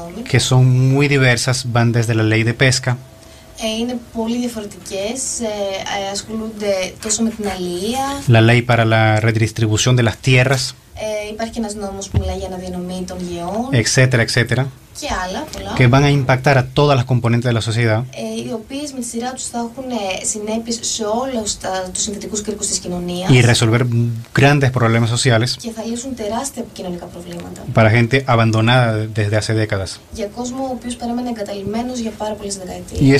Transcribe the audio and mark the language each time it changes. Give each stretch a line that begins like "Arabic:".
Spanish: Que son muy diversas, van desde la ley de pesca.
Greek: Είναι πολύ διαφορετικές, ασχολούνται τόσο με την αλληλεία.
Spanish: La ley para la redistribución de las tierras.
Greek: Υπάρχει ένας νόμος που μιλάει για αναδυνομή των γεών.
Spanish: Etcétera, etcétera.
Greek: Και άλλα πολλά.
Spanish: Que van a impactar a todas las componentes de la sociedad.
Greek: Οι οποίες με τη σειρά τους θα έχουν συνέπειες σε όλους τους συνθετικούς κρίκους της κοινωνίας.
Spanish: Y resolver grandes problemas sociales.
Greek: Και θα λύσουν τεράστια κοινωνικά προβλήματα.
Spanish: Para gente abandonada desde hace décadas.
Greek: Για κόσμο ο οποίος παρέμενε εγκαταλειμμένος για πάρα πολλές δεκαετίες.